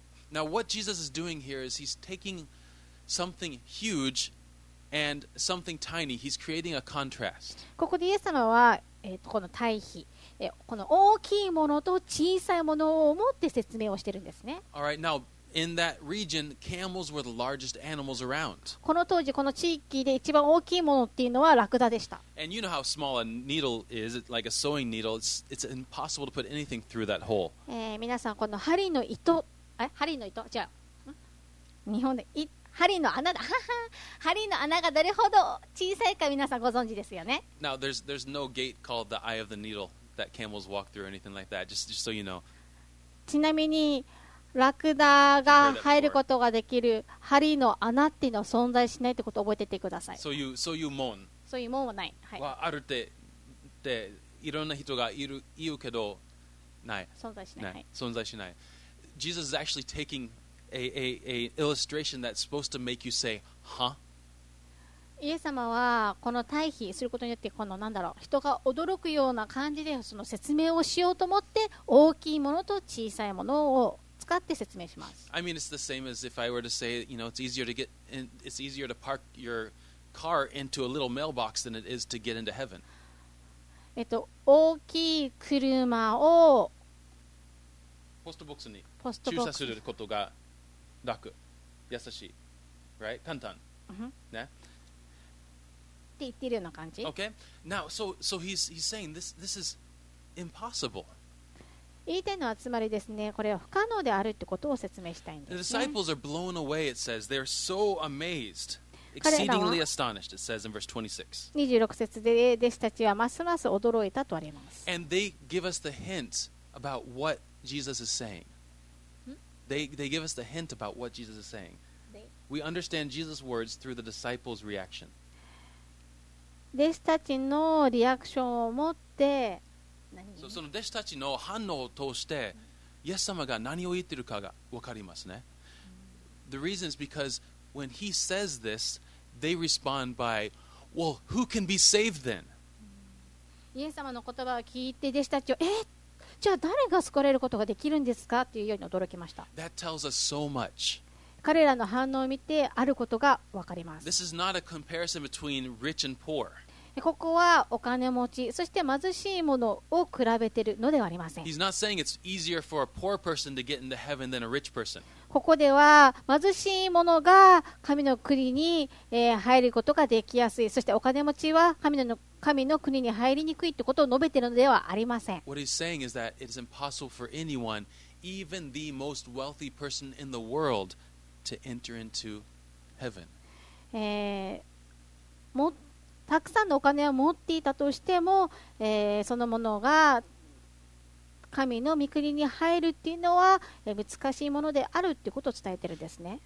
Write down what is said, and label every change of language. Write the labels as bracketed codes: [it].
[en] Now what Jesus is doing here is he's takingSomething huge and something tiny. He's creating a contrast. [ja] ここでイエス様は、この対比、この大きいものと小さいものを持って説明をしているんですね。 [en] All right, now in that region, camels were the largest animals around. [ja] この当時この地域で一番大きいものっていうのはラクダでした。 [en] And you know how small a needle is, like a sewing needle. It's impossible to put anything through that hole. [ja] 皆さんこの針の糸、針の糸、じゃあ日本で糸。針の穴だ。針の穴がどれほど小さいか皆さんご存知ですよね。 [en] Now there's no gate called the eye of the needle that camels walk through or anything like that. Just so you know. [ja] ちなみにラクダが入ることができる針の穴っていうのは存在しないってことを覚えててください。そういう門。そういう門はない。はい。あるって、いろんな人がいる、いるけどない。存在しない。存在しない。 [en] Jesus is actually taking. A illustration that's supposed to make you say, huh? [ja] イエス様はこの対比することによってこの何だろう人が驚くような感じでその説明をしようと思って大きいものと小さいものを使って説明します。 [en] I mean, it's the same as if I were to say, you know, it's easier to park your car into a little mailbox than it is to get into heaven. [ja] 大きい車をポストボックスに駐車することが楽、優しい、 [en] right? [ja] 簡単、 mm-hmm. ね、って言ってるような感じ。 [en] Okay. Now, so he's saying this is impossible. [ja] 言いたいのはつまりですね、これは不可能であるってことを説明したいんですね。 [en] The disciples are blown away, it says. They're so amazed, exceedingly astonished, it says in verse 26. [ja] 26節で弟子たちはますます驚いたとあります。 [en] And they give us the hint about what Jesus is saying. They give us the hint about what Jesus is saying. We understand Jesus' words through the disciples' reaction. [ja] 弟子たちのリアクションを持って、そう、その弟子たちの反応を通して、イエス様が何を言っているかが分かりますね。 [en] The reason is because when he says this, they respond by, well, who can be saved then? [ja] イエス様の言葉を聞いて弟子たちを、じゃあ誰が救われることができるんですかというように驚きました。 [en] That tells us so much. [ja] 彼らの反応を見てあることが分かります。 [en] This is not a comparison between rich and poor. [ja] ここはお金持ち、そして貧しいものを比べているのではありません。 [en] He's not saying it's easier for a poor person to get into heaven than a rich person. [ja] ここでは貧しいものが神の国に入ることができやすい、そしてお金持ちは神の国に入りにくいってことを述べているのではありません。 [en] What he's saying is that it is impossible for anyone, even the most wealthy person in the world, to enter into heaven. [ja] たくさんのお金を持っていたとしても、そのものが神の御国に入るっていうのは難しいものであるってことを伝えているんですね。